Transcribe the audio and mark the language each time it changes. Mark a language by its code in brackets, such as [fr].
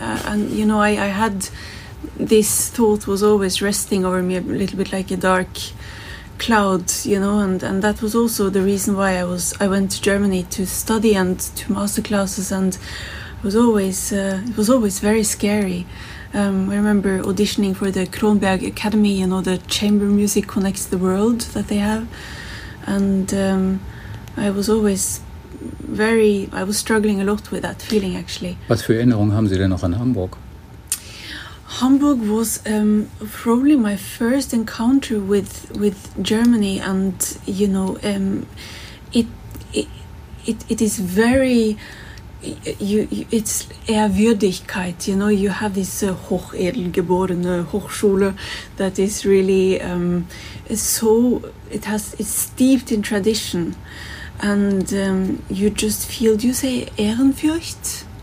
[en] And, you know, I had this thought was always resting over me a little bit like a dark cloud, you know, and that was also the reason why I went to Germany to study and to master classes, and it was always very scary. I remember auditioning for the Kronberg Academy, you know, the chamber music connects the world that they have, and I was struggling a lot with that feeling actually. [de] Was für Erinnerungen haben Sie denn noch an Hamburg? [en] Hamburg was probably my first encounter with Germany, and you know, it is very it's ehrwürdigkeit, you know, you have this [de] hochedelgeborene Hochschule [en] that is really it's steeped in tradition, and you just feel, do you say Ehrenfurcht?